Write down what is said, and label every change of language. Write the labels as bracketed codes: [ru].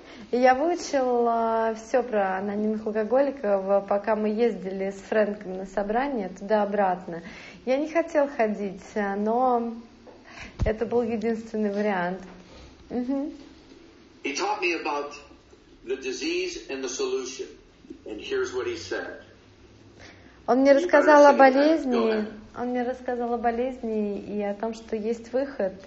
[ru] Я выучил все про анонимных алкоголиков, пока мы ездили с Фрэнком на собрание туда-обратно. Я не хотел ходить, но... Это был единственный вариант. [en] He taught me about the disease and the solution. And here's what he said. [ru] Он мне рассказал о болезни. Он мне рассказал о болезни и о том, что есть выход.